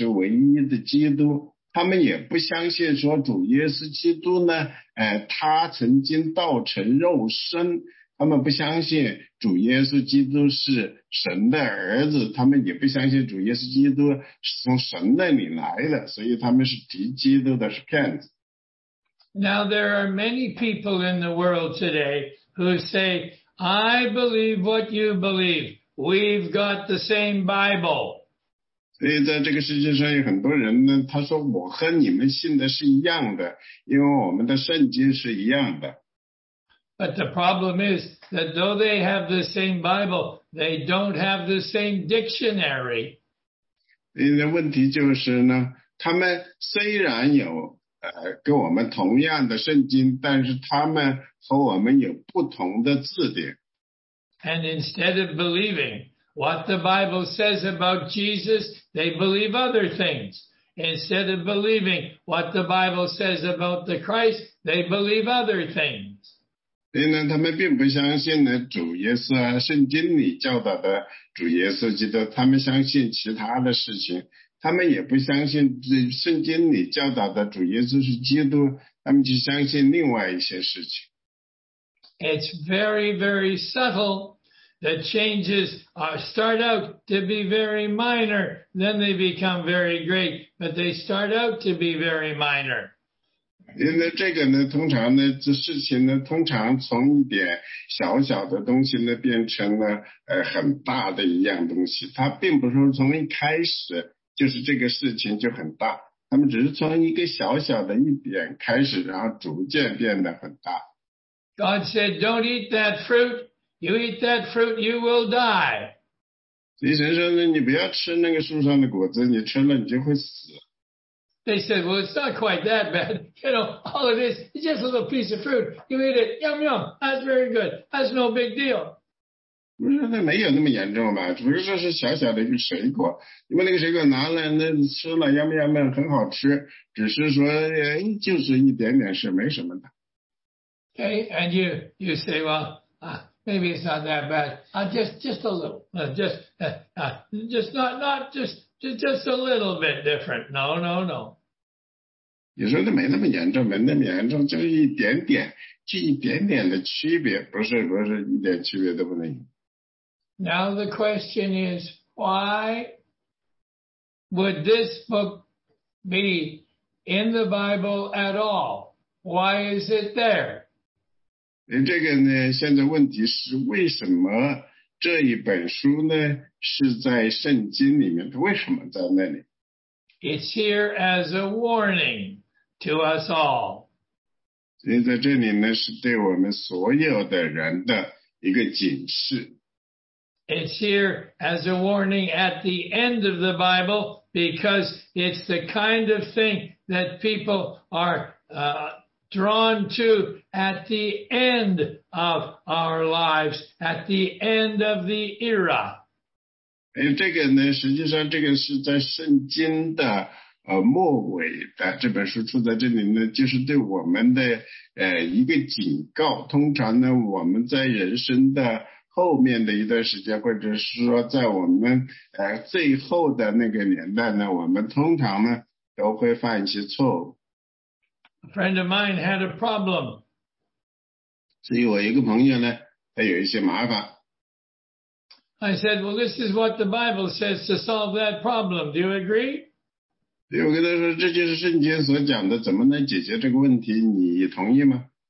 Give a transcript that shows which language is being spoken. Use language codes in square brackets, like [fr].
[zh] 他们其实呢，他们根本就不相信，不相信主耶稣基督呢，他就是基督，他就是说是从过去的王，他来创造了我们现在的王，要统治我们。他们不相信主耶稣基督呢，他是唯一的救主，他也是唯一的基督。他们也不相信说主耶稣基督呢，他曾经道成肉身。他们不相信主耶稣基督是神的儿子，他们也不相信主耶稣基督是从神那里来的，所以他们是敌基督的，是骗子。 [en] Now there are many people in the world today who say, I believe what you believe. We've got the same Bible. [zh] 所以在这个世界上有很多人呢，他说我和你们信的是一样的，因为我们的圣经是一样的。 [en] But the problem is that though they have the same Bible, they don't have the same dictionary. [zh] 因为问题就是呢，他们虽然有跟我们同样的圣经，但是他们和我们有不同的字典。 [en] And instead of believing what the Bible says about Jesus, they believe other things. Instead of believing what the Bible says about the Christ, they believe other things. [zh] 所以呢，他们并不相信呢主耶稣啊，圣经里教导的主耶稣基督，他们相信其他的事情。他们也不相信圣经里教导的主耶稣是基督，他们就相信另外一些事情。 [en] It's very, very subtle. The changes start out to be very minor, then they become very great, but they start out to be very minor. [zh] 因为这个呢，通常呢，这事情呢，通常从一点小小的东西呢，变成了很大的一样东西。它并不是从一开始就是这个事情就很大，他们只是从一个小小的一点开始，然后逐渐变得很大。 [en] God said, don't eat that fruit. You eat that fruit, you will die. [zh] 所以神说呢，你不要吃那个树上的果子，你吃了你就会死。 [en] They said, well, it's not quite that bad. You know, all it is, it's just a little piece of fruit. You eat it, yum yum, that's very good. That's no big deal. [zh] 不是，那没有那么严重嘛，只不过说是小小的一个水果，因为那个水果拿来那吃了，要不要嘛，很好吃，只是说就是一点点事，没什么的。 [en] Okay, and you say, well, maybe it's not that bad. Just a little, just a little bit different. No. [zh] 你说的没那么严重，没那么严重，就一点点，就一点点的区别，不是一点区别都不能有。 [en] Now the question is, why would this book be in the Bible at all? Why is it there? [zh] 这个呢，现在问题是为什么这一本书呢，是在圣经里面，为什么在那里？ [en] It's here as a warning to us all. [zh] 所以在这里呢，是对我们所有的人的一个警示。 [en] It's here as a warning at the end of the Bible because it's the kind of thing that people are drawn to at the end of our lives, at the end of the era. [zh] 这个呢，实际上这个是在圣经的末尾的这本书出在这里呢，就是对我们的一个警告。通常呢，我们在人生的后面的一段时间，或者是说在我们最后的那个年代呢，我们通常呢都会犯一些错误。 [en] A friend of mine had a problem. [zh] 所以我一个朋友呢，他有一些麻烦。 [en] I said, well, this is what the Bible says to solve that problem. Do you agree? [zh] 所以我跟他说，这就是圣经所讲的，怎么能解决这个问题，你同意吗？